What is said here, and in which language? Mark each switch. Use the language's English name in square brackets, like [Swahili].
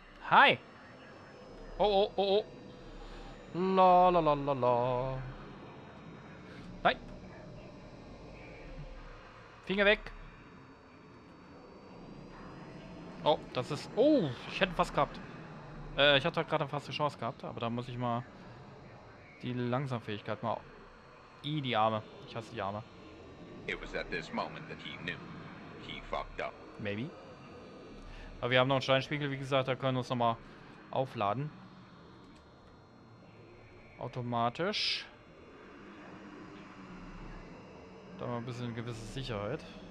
[German] Hi! Oh. La la la la la. Nein! Finger weg! Oh, das ist... Oh, ich hätte fast gehabt. Ich hatte gerade fast die Chance gehabt, aber da muss ich mal die Langsamfähigkeit mal... I, die Arme. Ich hasse die Arme. [English] It was at this moment that he knew. He fucked up. Maybe. [German] Aber wir haben noch einen Steinspiegel, wie gesagt, da können wir uns nochmal aufladen. Automatisch. Da mal ein bisschen eine gewisse Sicherheit.